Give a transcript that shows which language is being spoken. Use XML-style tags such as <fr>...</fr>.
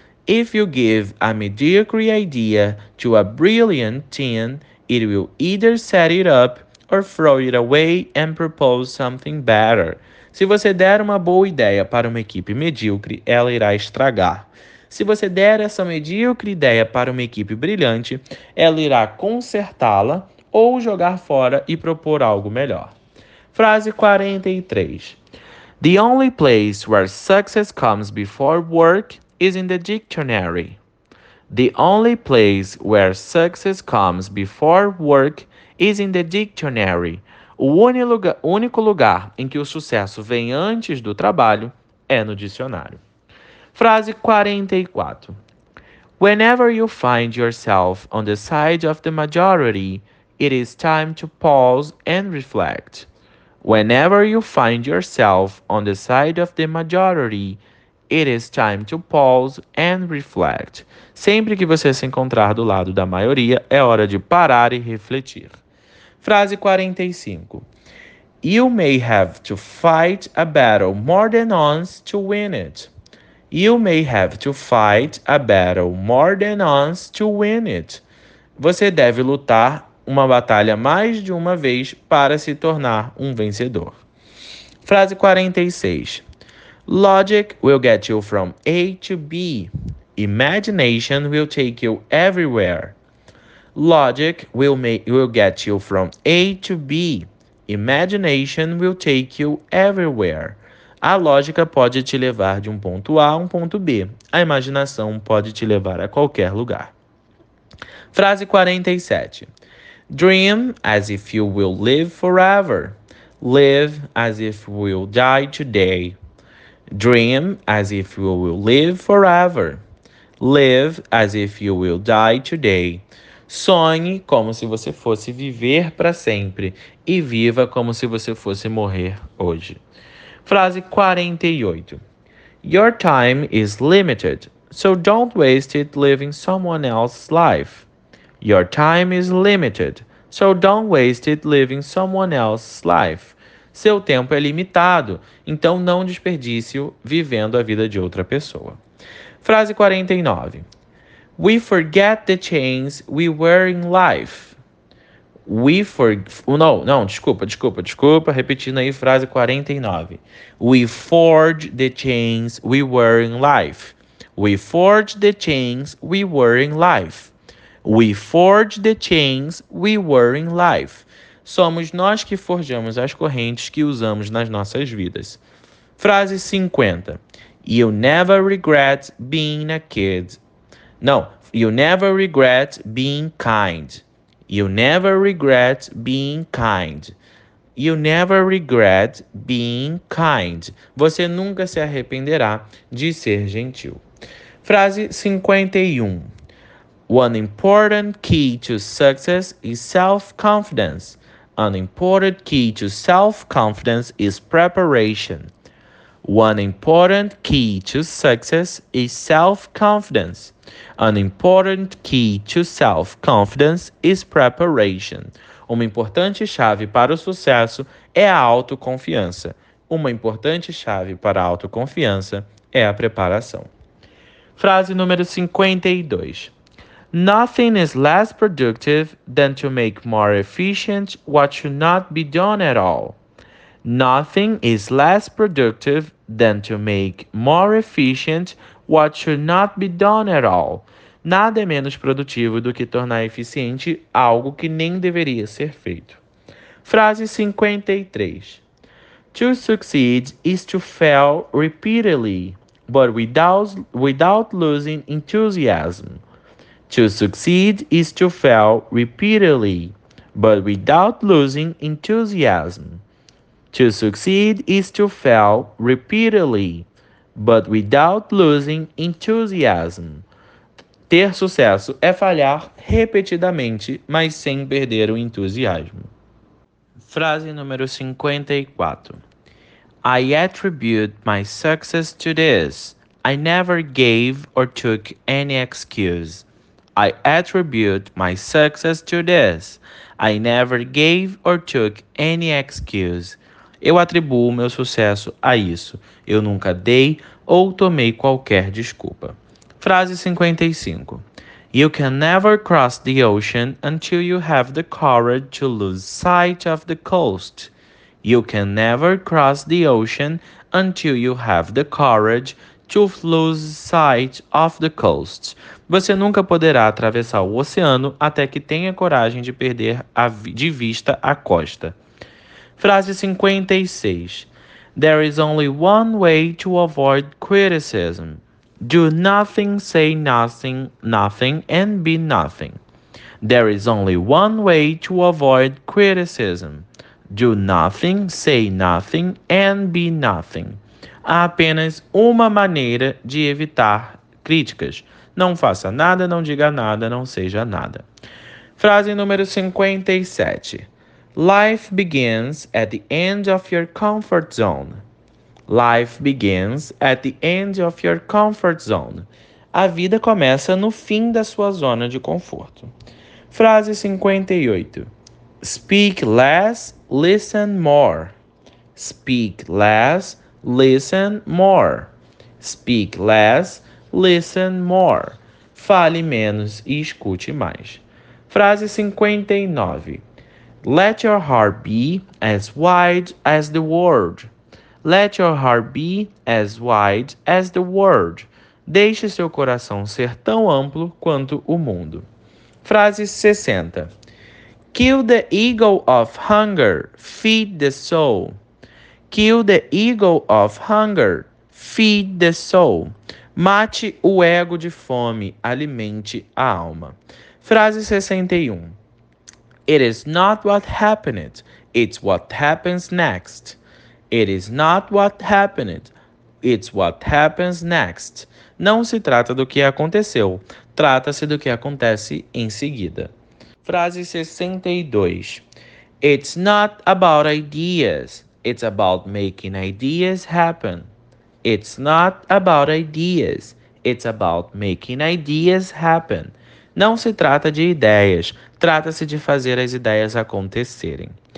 <en>If you give a mediocre idea to a brilliant teen, it will either set it up or throw it away and propose something better.</en> <pt>Se você der uma boa ideia para uma equipe medíocre, ela irá estragar. Se você der essa medíocre ideia para uma equipe brilhante, ela irá consertá-la ou jogar fora e propor algo melhor. Frase 43.</pt> <en>The only place where success comes before work is in the dictionary. The only place where success comes before work is in the dictionary.</en> <pt>O único lugar em que o sucesso vem antes do trabalho é no dicionário. Frase 44.</pt> <en>Whenever you find yourself on the side of the majority, it is time to pause and reflect. Whenever you find yourself on the side of the majority, it is time to pause and reflect.</en> <pt>Sempre que você se encontrar do lado da maioria, é hora de parar e refletir. Frase 45.</pt> <en>You may have to fight a battle more than once to win it. You may have to fight a battle more than once to win it.</en> <pt>Você deve lutar uma batalha mais de uma vez para se tornar um vencedor. Frase 46.</pt> <en>Logic will get you from A to B. Imagination will take you everywhere. Logic will get you from A to B. Imagination will take you everywhere.</en> <pt>A lógica pode te levar de um ponto A a um ponto B. A imaginação pode te levar a qualquer lugar. Frase 47.</pt> <en>Dream as if you will live forever. Live as if you will die today. Dream as if you will live forever. Live as if you will die today.</en> <pt>Sonhe como se você fosse viver para sempre e viva como se você fosse morrer hoje. Frase 48.</pt> <en>Your time is limited, so don't waste it living someone else's life. Your time is limited. So don't waste it living someone else's life.</en> <pt>Seu tempo é limitado, então não desperdice-o vivendo a vida de outra pessoa. Frase 49.</pt> <en>We forget the chains we wear in life. We for...</en> <pt>Não, não, desculpa, desculpa, desculpa. Repetindo aí, frase 49.</pt> <en>We forge the chains we wear in life. We forge the chains we wear in life. We forge the chains we wear in life.</en> <pt>Somos nós que forjamos as correntes que usamos nas nossas vidas. Frase 50.</pt> <en>You never regret being a kid.</en> <pt>Não,</pt> <en>you never regret being kind. You never regret being kind. You never regret being kind.</en> <pt>Você nunca se arrependerá de ser gentil. Frase 51.</pt> <en>One important key to success is self-confidence. An important key to self-confidence is preparation. One important key to success is self-confidence. An important key to self-confidence is preparation.</en> <pt>Uma importante chave para o sucesso é a autoconfiança. Uma importante chave para a autoconfiança é a preparação. Frase número 52.</pt> <en>Nothing is less productive than to make more efficient what should not be done at all. Nothing is less productive than to make more efficient what should not be done at all.</en> <pt>Nada é menos produtivo do que tornar eficiente algo que nem deveria ser feito. Frase 53.</pt> <en>To succeed is to fail repeatedly, but without losing enthusiasm. To succeed is to fail repeatedly, but without losing enthusiasm. To succeed is to fail repeatedly, but without losing enthusiasm.</en> <pt>Ter sucesso é falhar repetidamente, mas sem perder o entusiasmo. Frase número 54.</pt> <en>I attribute my success to this. I never gave or took any excuse. I attribute my success to this. I never gave or took any excuse.</en> <pt>Eu atribuo meu sucesso a isso. Eu nunca dei ou tomei qualquer desculpa. Frase 55.</pt> <en>You can never cross the ocean until you have the courage to lose sight of the coast. You can never cross the ocean until you have the courage to lose sight of the coast.</en> <pt>Você nunca poderá atravessar o oceano até que tenha coragem de perder de vista a costa. Frase 56.</pt> <en>There is only one way to avoid criticism. Do nothing, say nothing, nothing and be nothing. There is only one way to avoid criticism. Do nothing, say nothing and be nothing.</en> <pt>Há apenas uma maneira de evitar críticas. Não faça nada, não diga nada, não seja nada. Frase número 57.</pt> <en>Life begins at the end of your comfort zone. Life begins at the end of your comfort zone.</en> <pt>A vida começa no fim da sua zona de conforto. Frase 58.</pt> <en>Speak less, listen more. Speak less, listen more. Speak less, listen more.</en> <pt>Fale menos e escute mais. Frase 59.</pt> <en>Let your heart be as wide as the world. Let your heart be as wide as the world.</en> <pt>Deixe seu coração ser tão amplo quanto o mundo. Frase 60.</pt> <en>Kill the ego of hunger, feed the soul. Kill the ego of hunger, feed the soul.</en> <pt>Mate o ego de fome, alimente a alma. Frase 61.</pt> <en>It is not what happened, it's what happens next. It is not what happened, it's what happens next.</en> <pt>Não se trata do que aconteceu, trata-se do que acontece em seguida. Frase 62.</pt> <en>It's not about ideas, it's about making ideas happen. It's not about ideas, it's about making ideas happen.</en> <pt>Não se trata de ideias, trata-se de fazer as ideias acontecerem.</pt>